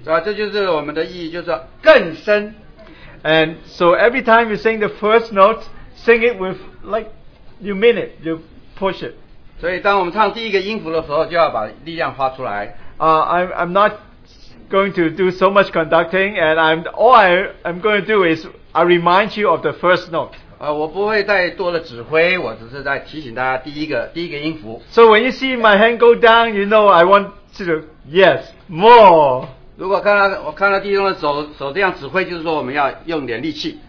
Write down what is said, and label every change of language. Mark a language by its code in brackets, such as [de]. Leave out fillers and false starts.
[zh] 这就是我们的意义，就是更深。 [en] And so every time you sing the first note, sing it with like you mean it, you push it. [zh] 所以当我们唱第一个音符的时候，就要把力量发出来。 [en] I'm not going to do so much conducting, and all I'm going to do is I remind you of the first note. [zh] 我不会再多的指挥，我只是在提醒大家第一个音符。 [en] So when you see my hand go down, you know I want to yes more. [zh] 如果看到弟兄的手这样指挥，就是说我们要用点力气。